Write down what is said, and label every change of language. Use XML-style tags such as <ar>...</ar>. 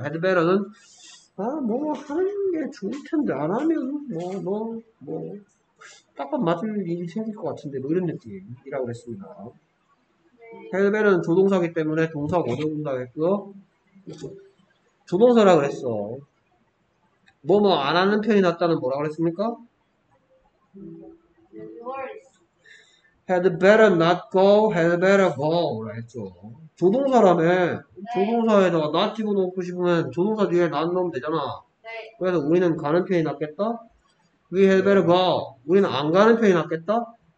<ko>had better는 아, 뭐뭐 하는 게 좋을 텐데 안 하면 뭐뭐뭐 딱밤 맞을 일이 생길 것 같은데 뭐 이런 느낌이라고 했습니다. had better는 조동사기 때문에 동사 고정된다고 했고요. 조동사라 그랬어. 뭐뭐 안 하는 편이 낫다는 뭐라 그랬습니까?</ko> <en>had better not go, had better go</en> <ko>라 했죠. 조동사라며. 조동사에다가 not 집어넣고 싶으면 조동사 뒤에 not 넣으면 되잖아. 그래서 우리는 가는 편이 낫겠다.</ko> <en>we had better go.</en> <ko>우리는 안 가는 편이 낫겠다.</ko>